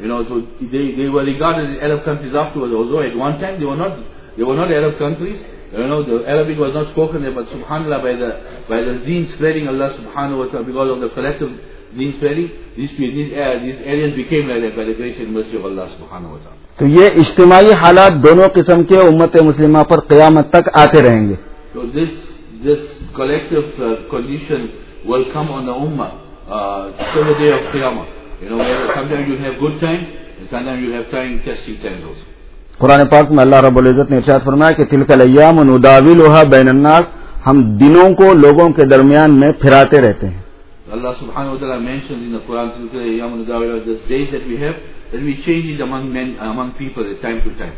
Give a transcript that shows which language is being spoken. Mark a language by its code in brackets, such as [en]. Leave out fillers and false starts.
[en] You know, so they were regarded as Arab countries afterwards. Although at one time they were not Arab countries. You know, the Arabic was not spoken there, but subhanAllah, by the deen spreading, Allah subhanahu wa ta'ala, because of the collective deen spreading, these areas became like that by the grace and mercy of Allah subhanahu wa ta'ala. [ur] تو یہ اجتماعی حالات دونوں قسم کے امت مسلمہ پر قیامت تک آتے رہیں گے. [en] So this collective condition will come on the ummah till the day of qiyamah. You know, sometimes you have good times and sometimes you have time testing times also. [ur] قرآن پاک میں اللہ رب العزت نے ارشاد فرمایا کہ [ar] تلک الایام نداولها بین الناس، [ur] ہم دنوں کو لوگوں کے درمیان میں پھراتے رہتے ہیں. [en] Allah سبحانہ و تعالی مینشنز ان قرآن [ar] تلک الایام نداولها، [en] This days that we have that we change it among men among people time to time.